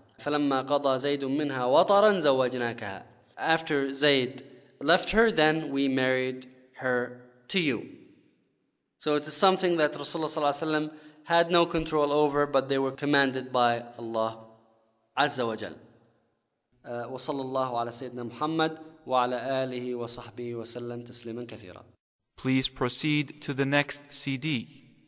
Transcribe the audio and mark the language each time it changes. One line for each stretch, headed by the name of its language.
Arabic: فَلَمَّا قَضَى زَيْدٌ مِّنْهَا وَطَرًا زَوَّجْنَاكَهَا.
English: After Zayd left her, then we married her to you. So it is something that Rasulullah sallallahu alayhi wa sallam had no control over, but they were commanded by Allah Azza wa Jal.
Arabic: وصلى الله على سيدنا محمد وعلى آله وصحبه وسلم تسليما كثيرا.
English: Please proceed to the next CD.